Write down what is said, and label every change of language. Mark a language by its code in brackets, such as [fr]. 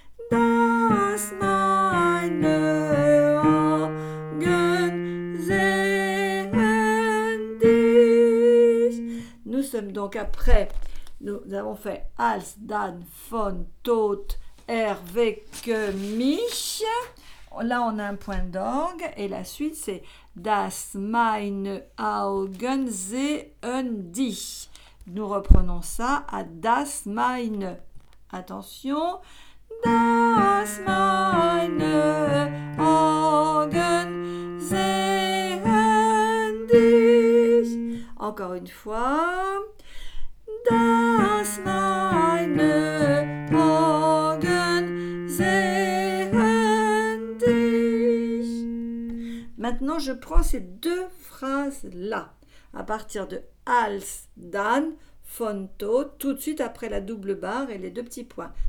[de] Das meine Augen sehen dich. [fr] Nous sommes donc après. Nous avons fait [de] als dann vom tot. Erwecke mich. [fr] Là, on a un point d'orgue et la suite, c'est [de] Das meine Augen sehen dich. [fr] Nous reprenons ça à [de] Das meine. [fr] Attention. [de] Das meine Augen sehen dich. [fr] Encore une fois. [de] Das meine Augen sehen dich. [fr] Maintenant, je prends ces deux phrases-là. À partir de [de] als, dann, von, tot, [fr] tout de suite après la double barre et les deux petits points.